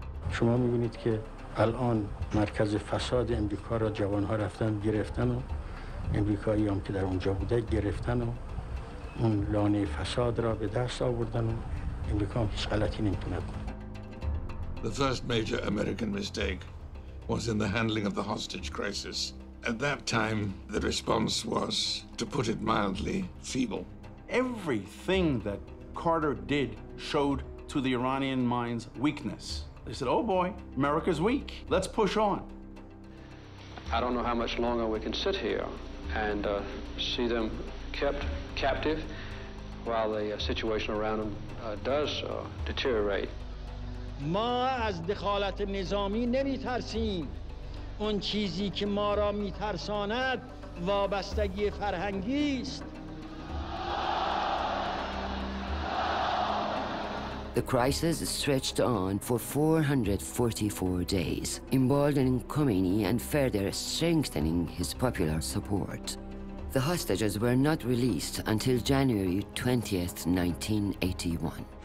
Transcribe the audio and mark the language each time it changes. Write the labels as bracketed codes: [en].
[fa] شما می‌بینید که الان مرکز فساد امریکا را جوان‌ها رفتن گرفتن و امریکایی هم که در اونجا بوده گرفتن و اون لانه فساد را به دست آوردن و امریکا هم هیچ غلطی نمی‌تونه کنه. [en] The first major American mistake was in the handling of the hostage crisis. At that time, the response was, to put it mildly, feeble. Everything that Carter did showed to the Iranian minds weakness. They said, oh boy, America's weak. Let's push on. I don't know how much longer we can sit here and see them kept captive while the situation around them deteriorate. [fa] ما از دخالت نظامی نمی ترسیم. اون چیزی که ما را می ترساند وابستگی فرهنگی است. [en] The crisis stretched on for 444 days, emboldening Khomeini and further strengthening his popular support. The hostages were not released until January 20th, 1981.